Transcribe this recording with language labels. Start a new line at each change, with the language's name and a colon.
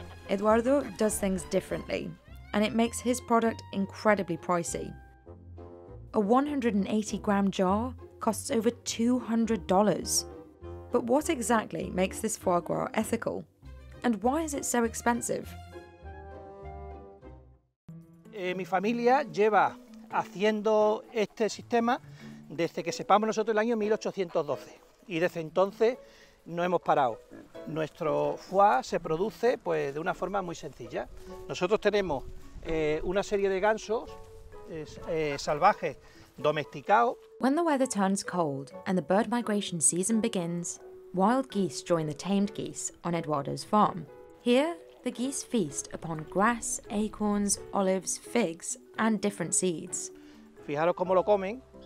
English: Eduardo does things differently, and it makes his product incredibly pricey. A 180-gram jar costs over $200. But what exactly makes this foie gras ethical? And why is it so expensive?
Spanish: Mi familia lleva haciendo este sistema desde que sepamos nosotros el año 1812 y desde entonces no hemos parado. Nuestro foie se produce pues de una forma muy sencilla. Nosotros tenemos una serie de gansos salvajes domesticados.
English: When the weather turns cold and the bird migration season begins, wild geese join the tamed geese on Eduardo's farm. Here, the geese feast upon grass, acorns, olives, figs, and different seeds.
Spanish: Fijaros cómo lo comen,